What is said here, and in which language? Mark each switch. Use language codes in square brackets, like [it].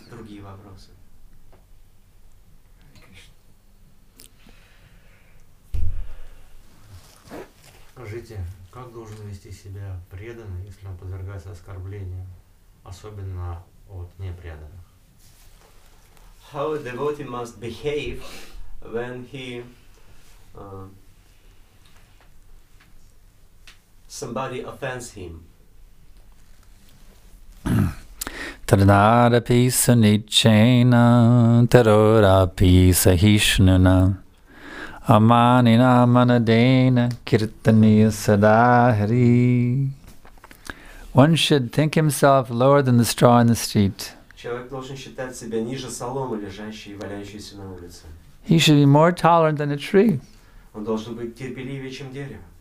[ru] Другие вопросы. Скажите, как должен вести себя преданный, если он подвергается оскорблению, особенно от непреданных? [en] How a devotee must behave when he somebody offends him. [sa] Tadnarapisanichena Tarorapisahishnuna Amanina Manadena Kirtaniya Sadahari. [en] One should think himself lower than the straw in the street. [ru] Человек должен считать себя ниже соломы, лежащей и валяющейся на улице. [en] He should be more tolerant than a tree. [ru] Он должен быть терпеливее, чем дерево.